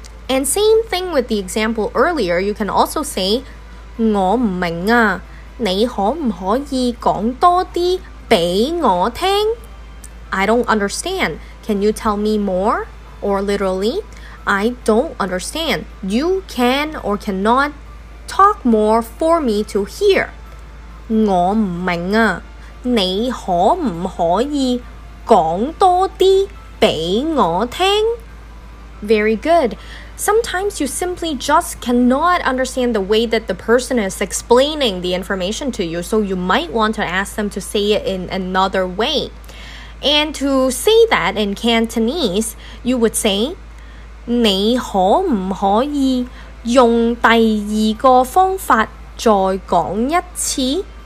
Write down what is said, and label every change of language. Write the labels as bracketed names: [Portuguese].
[English] And same thing with the example earlier, you can also say, [Cantonese] 我唔明啊，你可唔可以讲多啲俾我听？ [English] I don't understand. Can you tell me more? Or literally, I don't understand. You can or cannot talk more for me to hear. [Cantonese] 我唔明啊，你可唔可以讲多啲俾我听？ [English] Very good. Sometimes you simply just cannot understand the way that the person is explaining the information to you, so you might want to ask them to say it in another way. And to say that in Cantonese, you would say, [Cantonese] 你可唔可以用第二个方法再讲一次？